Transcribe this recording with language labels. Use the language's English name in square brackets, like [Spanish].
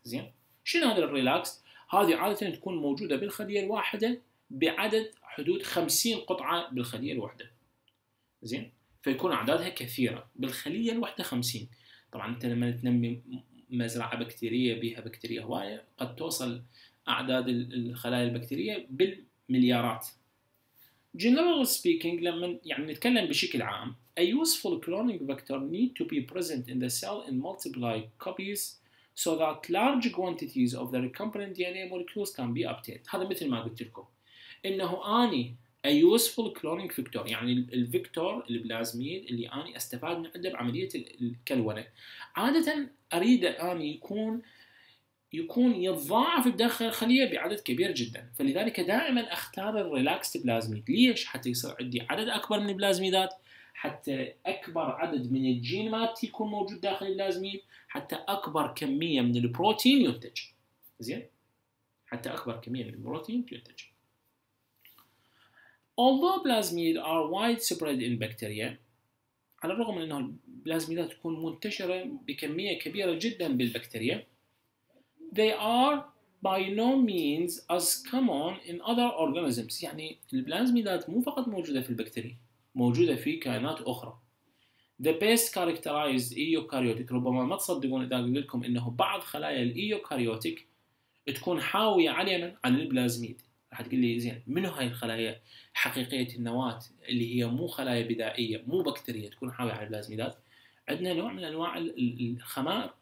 [Arabic] زين، شنو هذا الريلاكس؟ هذه عادة تكون موجودة بالخلية الواحدة بعدد حدود 50 قطعة بالخلية الواحدة. زين، فيكون أعدادها كثيرة بالخلية الواحدة 50. طبعا انت لما تنمي مزرعه بكتيريه بها بكتيريا هوايه قد توصل اعداد الخلايا البكتيريه بالمليارات. [English] General speaking، [Arabic] لما يعني نتكلم بشكل عام، [English] a useful cloning vector need to be present in the cell in multiple copies so that large quantities of the recombinant DNA molecules can be obtained. [Arabic] هذا مثل ما قلت لكم انه اني [English] a useful cloning vector، [Arabic] يعني الفيكتور البلازميد اللي أنا استفاد من عنده بعملية الكلونة، عادة أريد أن يكون يتضاعف بداخل الخلية بعدد كبير جدا. فلذلك دائما أختار الريلاكست بلازميد. ليش؟ حتى يصير عندي عدد أكبر من البلازميدات، حتى أكبر عدد من الجين مات يكون موجود داخل البلازميد، حتى أكبر كمية من البروتين ينتج. زين، حتى أكبر كمية من البروتين ينتج. [English] Although plasmids are widespread in bacteria، [Arabic] على الرغم من أنه البلازميدات تكون منتشرة بكمية كبيرة جدا بالبكتيريا، [English] they are by no means as common in other organisms. [Arabic] يعني البلازميدات مو فقط موجودة في البكتيريا، موجودة في كائنات أخرى. [English] The best characterized eukaryotic، [Arabic] ربما ما تصدقون إذا قلت لكم أنه بعض خلايا الإيوكاريوتيك تكون حاوية عليا على البلازميد. هتقول لي زين، منو هاي الخلايا حقيقية النواة اللي هي مو خلايا بدائية مو بكتيرية تكون حاوية على البلازميدات؟ عندنا نوع من أنواع الخمائر.